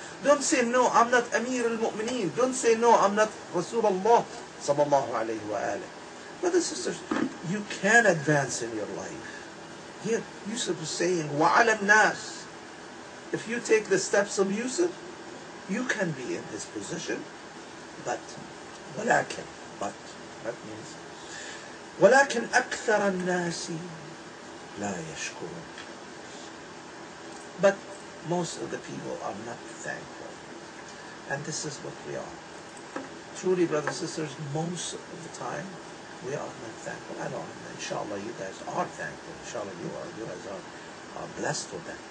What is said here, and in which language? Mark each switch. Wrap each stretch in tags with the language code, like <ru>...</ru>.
<en>Don't say, no, I'm not Amir al-Mu'mineen. Don't say, no, I'm not Rasulullah sallallahu alayhi wa alayhi. Brothers and sisters, you can advance in your life. Here, Yusuf is saying,</en> <ar>وَعَلَى النَّاسِ.</ar> <en>If you take the steps of Yusuf, you can be in this position. But,</en> <ar>وَلَكِن,</ar> <en>but, that means,</en> <ar>وَلَكِن أَكْثَرَ النَّاسِ لَا يَشْكُرُ.</ar> <en>But most of the people are not thankful. And this is what we are. Truly, brothers and sisters, most of the time, we are not thankful. I don't know. Inshallah, you guys are thankful. Inshallah, you guys are blessed with that.</en>